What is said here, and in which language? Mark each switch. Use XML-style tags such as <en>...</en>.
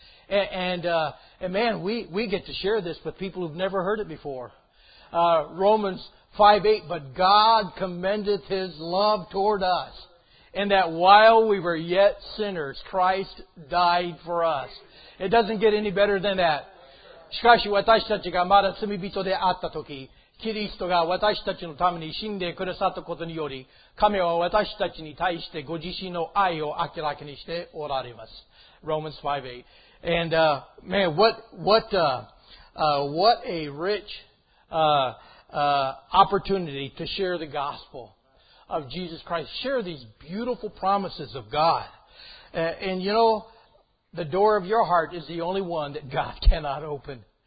<en>And man, we get to share this with people who've never heard it before. Romans 5:8. But God commendeth His love toward us, in that while we were yet sinners, Christ died for us. It doesn't get any better than that.</en> <ja>しかし私たちがまだ罪人であったとき、キリストが私たちのために死んでくださったことにより、神は私たちに対してご自身の愛を明らかにしておられます。</ja> <en>Romans 5:8. And man, what a rich opportunity to share the gospel of Jesus Christ. Share these beautiful promises of God. And you know, the door of your heart is the only one that God cannot open.</en>